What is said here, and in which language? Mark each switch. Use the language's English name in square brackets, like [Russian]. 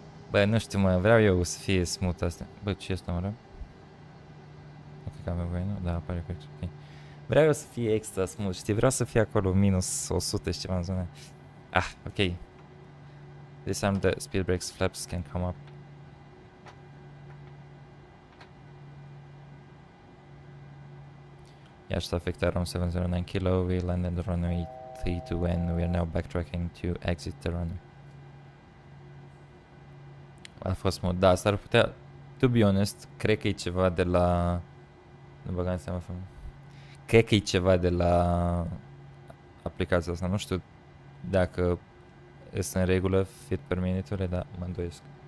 [Romanian] Băi, nu știu mă, vreau eu să fie smooth astea. Băi, ce este numără? Ok, că avem voie, nu? Da, pare că ok. Vreau eu să fie extra smooth, știi? Vreau să fie acolo minus 100 și ceva în zona. Ah, ok. [English] This time the speed brakes flaps can come up. Yeah, traffic Tarom 709 kilo, we landed the runway 32N, we are now backtracking to exit the runway. [Romanian] A fost smooth, da, s-ar putea, to be honest, cred că e ceva de la, nu băgam seama, cred că e ceva de la aplicația asta, nu știu dacă este în regulă fit per minute-urile, dar mă îndoiesc.